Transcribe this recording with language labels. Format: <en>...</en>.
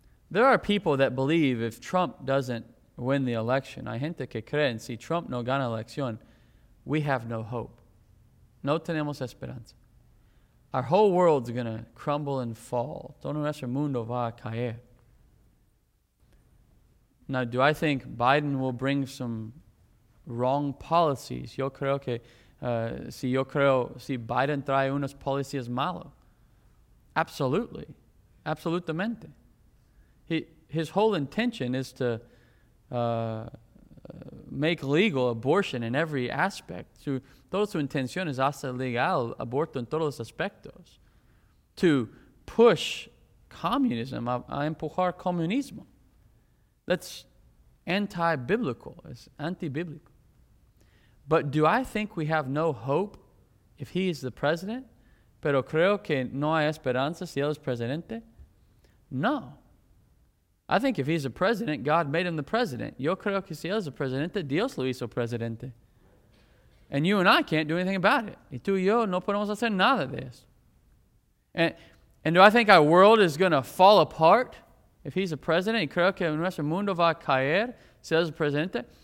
<en>There are people that believe if Trump doesn't win the election,</en> <es>hay gente que creen si Trump no gana la elección,</es> <en>we have no hope.</en> <es>No tenemos esperanza.</es> <en>Our whole world's going to crumble and fall.</en> <es>Todo nuestro mundo va a caer.</es> <en>Now, do I think Biden will bring some wrong policies?</en> <es>Yo creo que si Biden trae unas policías malas.</es> <en>Absolutely.</en> <es>Absolutamente.</es> <en>His whole intention is to make legal abortion in every aspect.</en> <es>Toda su intención es hacer legal aborto en todos los aspectos.</es> <en>To push communism,</en> <es>a empujar comunismo.</es> <en>That's anti-biblical, it's anti-biblical. But do I think we have no hope if he is the president?</en> <es>Pero creo que no hay esperanza si él es presidente. No.</es> <en>I think if he's a president, God made him the president.</en> <es>Yo creo que si él es el presidente, Dios lo hizo presidente.</es> <en>And you and I can't do anything about it.</en> <es>Y tú y yo no podemos hacer nada de eso.</es> <en>And do I think our world is going to fall apart if he's a president?</en> <es>Y creo que nuestro mundo va a caer si él es el presidente.</es>